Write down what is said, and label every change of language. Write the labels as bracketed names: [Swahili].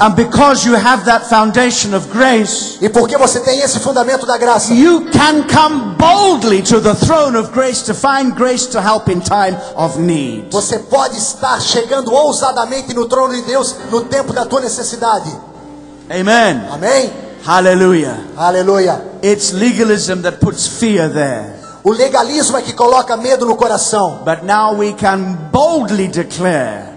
[English] And because you have that foundation of grace, [Portuguese] e porque você tem esse fundamento da graça, [English] you can come boldly to the throne of grace to find grace to help in time of need. [Portuguese] Você pode estar chegando ousadamente no trono de Deus no tempo da tua necessidade. [English] Amen. [Portuguese] Amém. [English] Hallelujah. Hallelujah. It's legalism that puts fear there. [Portuguese] O legalismo é que coloca medo no coração. [English] But now we can boldly declare.